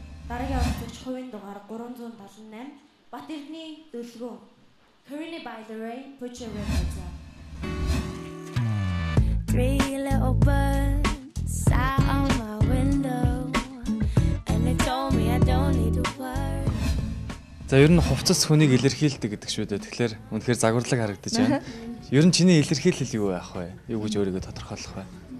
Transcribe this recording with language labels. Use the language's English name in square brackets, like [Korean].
[Mongolian] Дараагийн оролцогч хувийн дугаар 378 Бат Эрдэнэ Дөлгөө. [English] Karina by the Ray, Put Your Red Hands Up. Three little birds sat on my window and they told me I don't need to worry. [Mongolian] За ер нь хувцас хүнийг илэрхийлдэг гэдэг шүү дээ. Тэгэхээр үнэхээр загварлаг харагдаж байна. Ер нь чиний илэрхийлэл юу байх вэ? Юу гэж өөрийгөө тодорхойлох вэ?